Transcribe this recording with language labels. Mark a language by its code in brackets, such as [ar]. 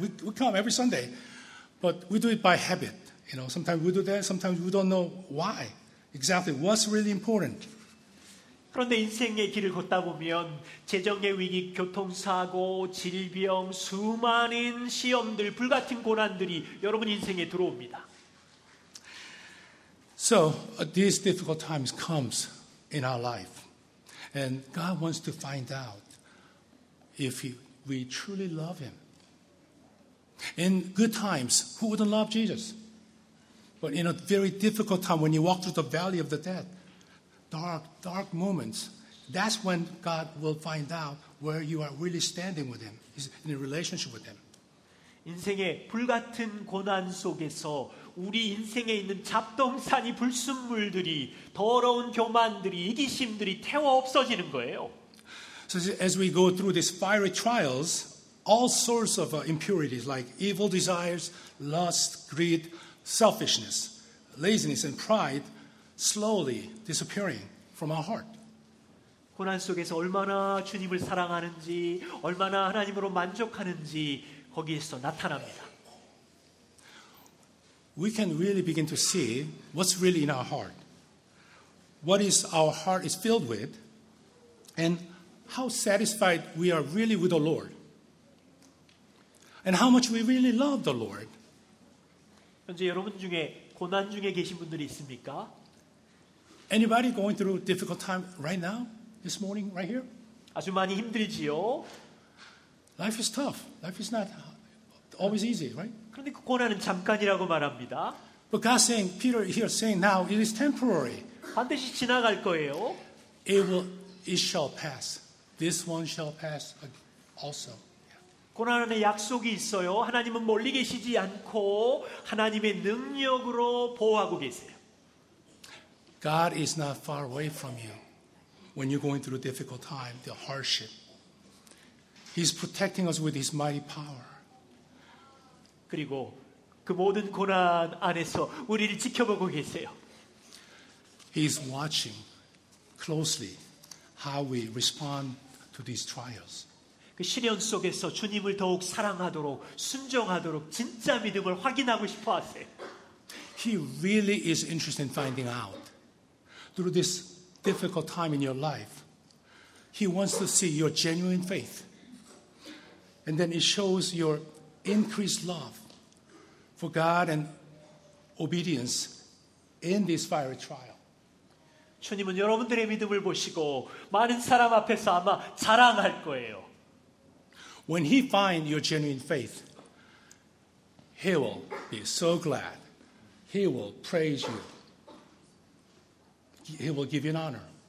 [en] We come every Sunday, but we do it by habit. You know, sometimes we do that, sometimes we don't know why. Exactly, what's really important? [ko] 그런데 인생의 길을 걷다 보면 재정의 위기, 교통사고, 질병, 수많은 시험들, 불같은 고난들이 여러분 인생에 들어옵니다. [en] So, these difficult times comes in our life. And God wants to find out if we truly love Him. In good times, who wouldn't love Jesus? But in a very difficult time, when you walk through the valley of the dead, dark, dark moments, that's when God will find out where you are really standing with Him, in a relationship with Him. [ko] 인생의 불같은 고난 속에서 우리 인생에 있는 잡동사니 불순물들이, 더러운 교만들이, 이기심들이 태워 없어지는 거예요. [en] So as we go through these fiery trials, all sorts of impurities like evil desires, lust, greed, selfishness, laziness, and pride slowly disappearing from our heart. [ko] 고난 속에서 얼마나 주님을 사랑하는지, 얼마나 하나님으로 만족하는지 거기에서 나타납니다. [en] We can really begin to see what's really in our heart, what is our heart is filled with, and how satisfied we are really with the Lord, and how much we really love the Lord. [ko] 현재 여러분 중에 고난 중에 계신 분들이 있습니까? [en] Anybody going through a difficult time right now, this morning, right here? [ko] 아주 많이 힘들지요. [en] Life is tough. Life is not always easy, right? [ko] 그런데 그 고난은 잠깐이라고 말합니다. [en] But God's saying, Peter here saying, now it is temporary. [ko] 반드시 지나갈 거예요. [en] It shall pass. This one shall pass also. [ko] 고난 안에 약속이 있어요. 하나님은 멀리 계시지 않고 하나님의 능력으로 보호하고 계세요. [en] God is not far away from you when you're going through a difficult time, the hardship. He's protecting us with His mighty power. [ko] 그리고 그 모든 고난 안에서 우리를 지켜보고 계세요. [en] He is watching closely how we respond to these trials. [ko] 그 시련 속에서 주님을 더욱 사랑하도록 순종하도록 진짜 믿음을 확인하고 싶어 하세요. [en] He really is interested in finding out through this difficult time in your life. He wants to see your genuine faith. And then it shows your increased love for God and obedience in this fiery trial. [ko] 주님은 여러분들의 믿음을 보시고 많은 사람 앞에서 아마 자랑할 거예요. [en] When he finds your genuine faith, he will be so glad. He will praise you. He will give you an honor.